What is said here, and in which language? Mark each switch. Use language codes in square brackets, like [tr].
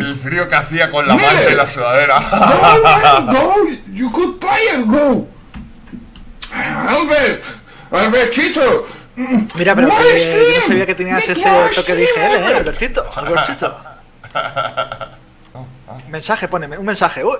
[es] El frío que hacía con la manta y la sudadera. [en] No, man, no, you good player, no. [es] Albert, Albert Chito. Mira, pero que, no sabía que tenías ese toque de IGL, Albertito. Albertito. Mensaje, poneme, un mensaje.